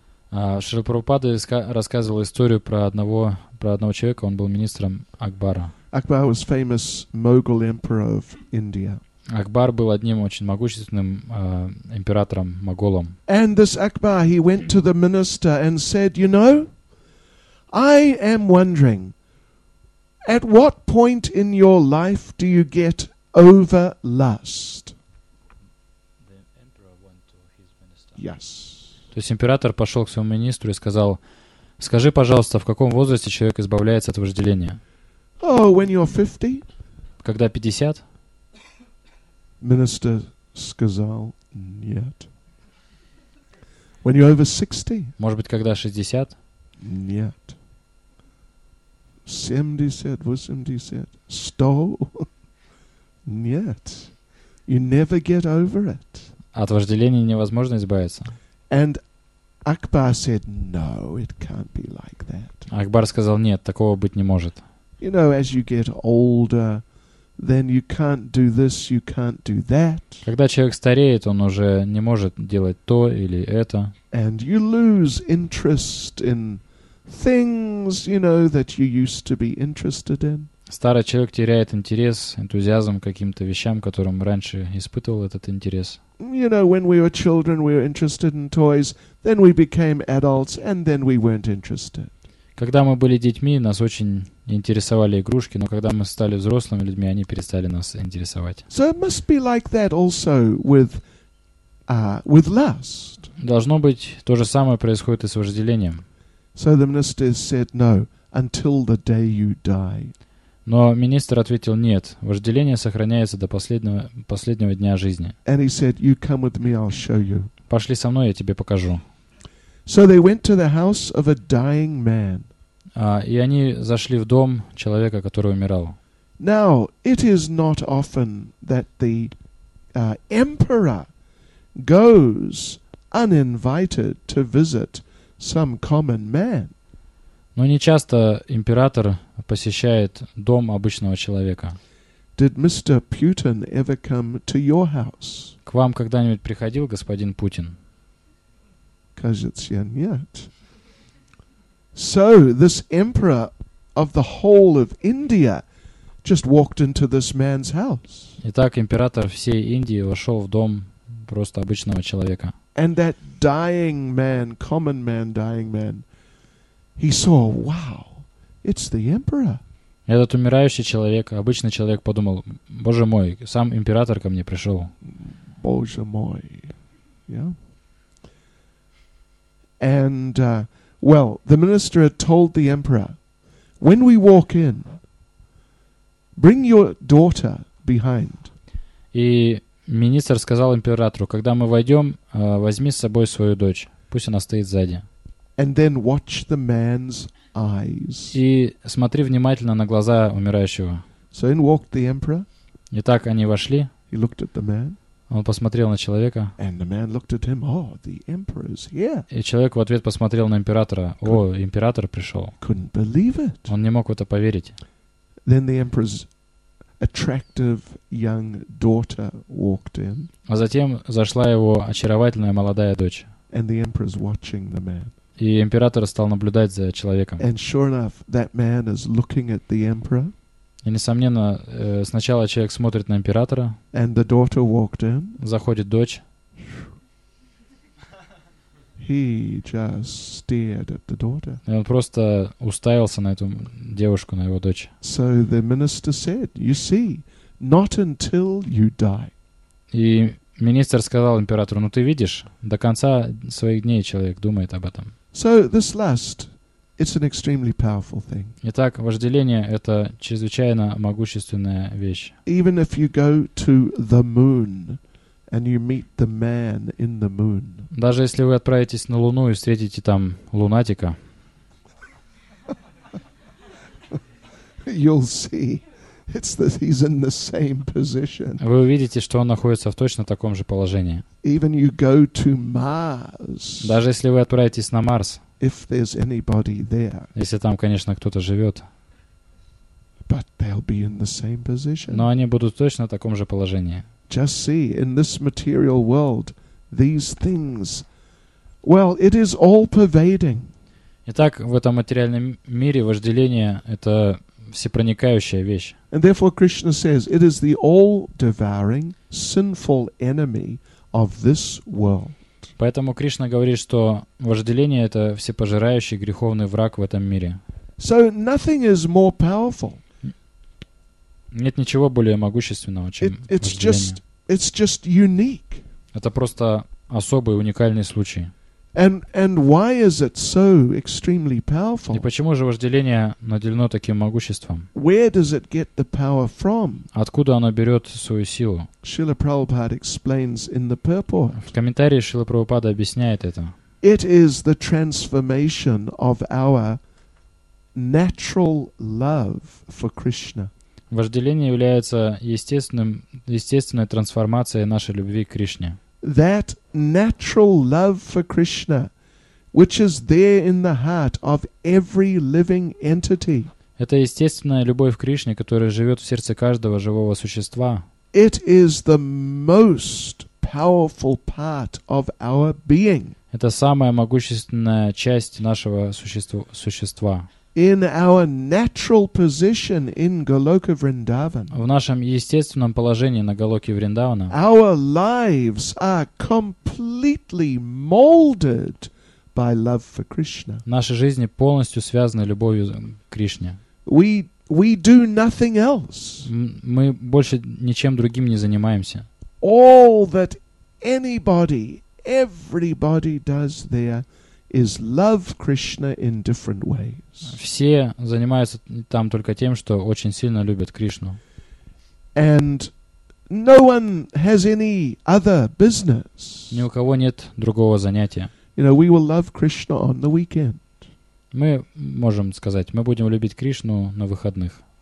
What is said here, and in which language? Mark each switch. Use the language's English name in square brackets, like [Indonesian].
[Russian] Шрила Прабхупада рассказывал историю про одного человека, он был министром Акбара. [English] Akbar was famous Mughal emperor of India. [Russian] Акбар был одним очень могущественным императором моголом. [English] And this Akbar, he went to the minister and said, you know, I am wondering, at what point in your life do you get over lust? The emperor went to his minister. Yes. [Russian] То есть император пошел к своему министру и сказал, скажи, пожалуйста, в каком возрасте человек избавляется от вожделения? [English] Oh, when you're 50? [Russian] Когда 50? [English] Minister [Russian] сказал нет. [English] When you're over 60? [Russian] Может быть, когда 60? Нет. 70, 80, 100? Нет. [English] You never get over it. [Russian] От вожделения невозможно избавиться. [English] And Akbar said, no, it can't be like that. [Russian] Акбар сказал, нет, такого быть не может. [English] You know, as you get older, then you can't do this, you can't do that. [Russian] Когда человек стареет, он уже не может делать то или это. [English] And you lose interest in things, you know, that you used to be interested in. [Russian] Старый человек теряет интерес, энтузиазм к каким-то вещам, которым раньше испытывал этот интерес. [English] You know, when we were children, we were interested in toys, then we became adults, and then we weren't interested. [Russian] Когда мы были детьми, нас очень интересовали игрушки, но когда мы стали взрослыми людьми, они перестали нас интересовать. [English] So it must be like that also with lust. [Russian] Должно быть, то же самое происходит и с вожделением. [English] So the minister said no, until the day you die. [Russian] Но министр ответил, нет, вожделение сохраняется до последнего дня жизни. [English] And he said, you come with me, I'll show you. [Russian] Пошли со мной, я тебе покажу. [English] So they went to the house of a dying man. [Russian] И они зашли в дом человека, который умирал. [English] Now, it is not often that the emperor goes uninvited to visit some common man. [Russian] Но не часто император посещает дом обычного человека. [English] Did Mr. Putin ever come to your house? [Russian] К вам когда-нибудь приходил господин Путин? Кажется, нет. [English] So this emperor of the whole of India just walked into this man's house. [Russian] Итак, император всей Индии вошел в дом просто обычного человека. [English] And that dying man, common man, dying man, he saw, wow, it's the emperor. [Russian] Этот умирающий человек, обычный человек, подумал, боже мой, сам император ко мне пришел. Боже мой, yeah. [English] And, well, the minister had told the emperor, when we walk in, bring your daughter behind. [Russian] И министр сказал императору, когда мы войдем, возьми с собой свою дочь, пусть она стоит сзади. [English] And then watch the man's eyes. [Russian] И смотри внимательно на глаза умирающего. [English] So in walked the emperor. [Russian] Итак, они вошли. [English] He looked at the man. [Russian] Он посмотрел на человека. [English] And the man looked at him. Oh, the emperor's here. [Russian] И человек в ответ посмотрел на императора. О, император пришел. [English] Couldn't believe it. [Russian] Он не мог в это поверить. [English] Then the emperor's attractive young daughter walked in. [Russian] А затем зашла его очаровательная молодая дочь. [English] And the emperor's watching the man. [Russian] И император стал наблюдать за человеком. [English] And sure enough, that man is looking at the emperor. [Russian] И, несомненно, сначала человек смотрит на императора. [English] And the daughter walked in. [Russian] Заходит дочь. [English] He just stared at the daughter. [Russian] И он просто уставился на эту девушку, на его дочь. [English] So the minister said, you see, not until you die. [Russian] И министр сказал императору, ну ты видишь, до конца своих дней человек думает об этом. [English] So this lust, it's an extremely powerful thing. [Russian] Итак, вожделение — это чрезвычайно могущественная вещь. [English] Even if you go to the moon and you meet the man in the moon. [Russian] Даже если вы отправитесь на Луну и встретите там лунатика. [English] You'll see. It's that he's in the same position. [Russian] Вы увидите, что он находится в точно таком же положении. [English] Even you go to Mars. [Russian] Даже если вы отправитесь на Марс. [English] If there's anybody there. [Russian] Если там, конечно, кто-то живет. [English] But they'll be in the same position. [Russian] Но они будут точно в таком же положении. [English] Just see, in this material world, these things, well, it is all pervading. [Russian] Итак, в этом материальном мире вожделение — это всепроникающая вещь. [English] And therefore Krishna says it is the all-devouring sinful enemy of this world. [Russian] Поэтому Кришна говорит, что вожделение это всепожирающий греховный враг в этом мире. [English] So nothing is more powerful. [Russian] Нет ничего более могущественного, чем вожделение. [English] It's just unique. [Russian] Это просто особый уникальный случай. [English] And why is it so extremely powerful? [Russian] И почему же вожделение наделено таким могуществом? [English] Where does it get the power from? [Russian] Откуда оно берет свою силу? [English] Srila Prabhupada explains in the purport. [Russian] В комментарии Шрила Прабхупада объясняет это. [English] It is the transformation of our natural love for Krishna. [Russian] Вожделение является естественной трансформацией нашей любви к Кришне. [English] That natural love for Krishna, which is there in the heart of every living entity. [Russian] Это естественная любовь к Кришне, которая живет в сердце каждого живого существа. [English] It is the most powerful part of our being. [Russian] Это самая могущественная часть нашего существа. [English] In our natural position in Goloka Vrindavan. [Russian] В нашем естественном положении на Голоке Вриндавана. [English] Our lives are completely molded by love for Krishna. [Russian] Наши жизни полностью связаны любовью к Кришне. [English] We do nothing else. [Russian] Мы больше ничем другим не занимаемся. [English] All that anybody, everybody does there is love Krishna in different ways. [Russian] Все занимаются там только тем, что очень сильно любят Кришну. [English] And no one has any other business. [Russian] Ни у кого нет другого занятия. [English] You know, we will love Krishna on the weekend. [Russian] Мы можем сказать, мы будем любить Кришну на выходных.